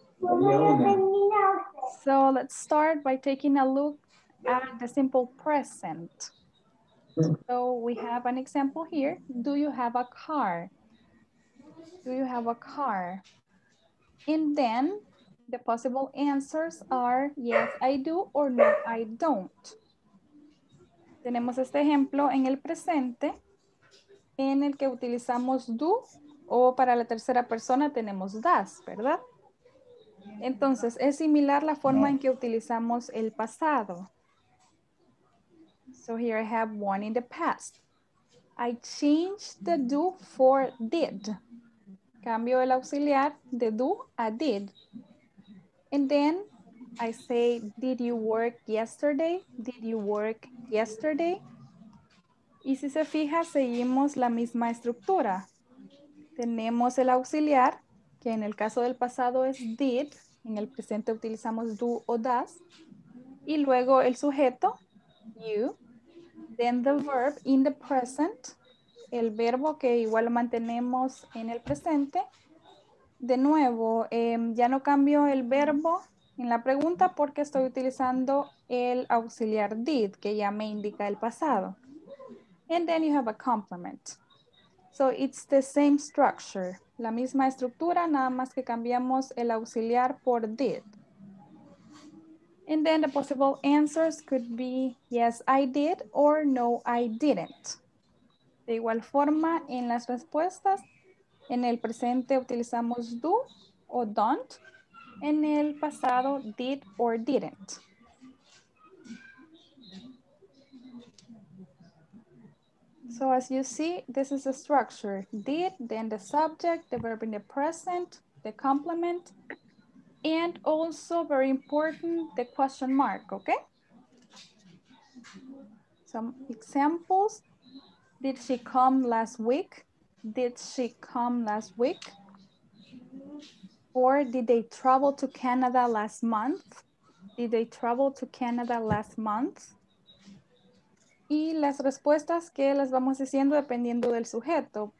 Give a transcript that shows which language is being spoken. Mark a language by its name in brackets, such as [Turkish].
[English] So let's start by taking a look at the simple present. So we have an example here. Do you have a car? Do you have a car? And then the possible answers are yes, I do, or no, I don't. [Spanish] Tenemos este ejemplo en el presente, en el que utilizamos do, o para la tercera persona tenemos does, ¿verdad? Entonces, es similar la forma en que utilizamos el pasado. [English] So here I have one in the past. I changed the do for did. [Spanish] Cambio el auxiliar de do a did. [English] And then I say, did you work yesterday? Did you work yesterday? [Spanish] Y si se fija, seguimos la misma estructura. Tenemos el auxiliar, que en el caso del pasado es did. En el presente utilizamos do o does. Y luego el sujeto, you. [English] Then the verb in the present. [Spanish] El verbo que igual mantenemos en el presente. De nuevo, ya no cambio el verbo en la pregunta porque estoy utilizando el auxiliar did, que ya me indica el pasado. [English] And then you have a complement. So it's the same structure. [Spanish] La misma estructura, nada más que cambiamos el auxiliar por did. [English] And then the possible answers could be yes, I did, or no, I didn't. [Spanish] De igual forma, en las respuestas, en el presente utilizamos do o don't. En el pasado, did or didn't. [English] So as you see, this is the structure. Did, then the subject, the verb in the present, the complement, and also very important, the question mark, okay? Some examples. Did she come last week? Did she come last week? Or did they travel to Canada last month? Did they travel to Canada last month? [Spanish] Y las respuestas que las vamos diciendo dependiendo del sujeto.